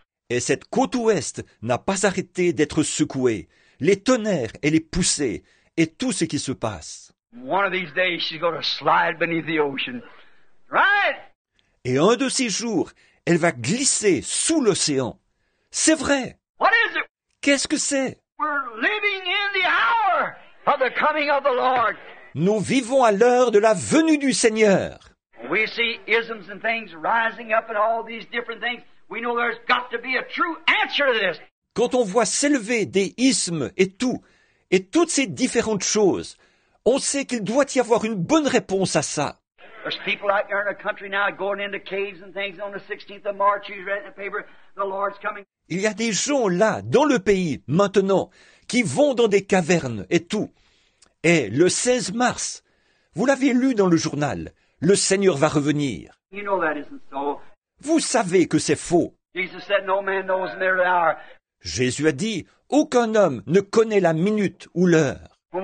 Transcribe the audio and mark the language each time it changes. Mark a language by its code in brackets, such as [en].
[fr] Et cette côte ouest n'a pas arrêté d'être secouée. Les tonnerres et les poussées et tout ce qui se passe. [en] One of these days she's going to slide beneath the ocean. Right? [fr] Et un de ces jours, elle va glisser sous l'océan. C'est vrai. [en] What is it? [fr] Qu'est-ce que c'est? [en] We're living in the hour of the coming of the Lord. [fr] Nous vivons à l'heure de la venue du Seigneur. [en] We see isms and things rising up and all these different things. We know there's got to be a true answer to this. [fr] Quand on voit s'élever des ismes et toutes ces différentes choses, on sait qu'il doit y avoir une bonne réponse à ça. [en] There's people out there in the country now going into caves and things on the 16th of March. He's reading the paper. The Lord's coming. [fr] Il y a des gens là, dans le pays, maintenant, qui vont dans des cavernes et tout. Et le 16 mars, vous l'avez lu dans le journal, le Seigneur va revenir. [en] You know that isn't so. [fr] Vous savez que c'est faux. [en] Jesus said, no man knows near the hour. [fr] Jésus a dit, aucun homme ne connaît la minute ou l'heure.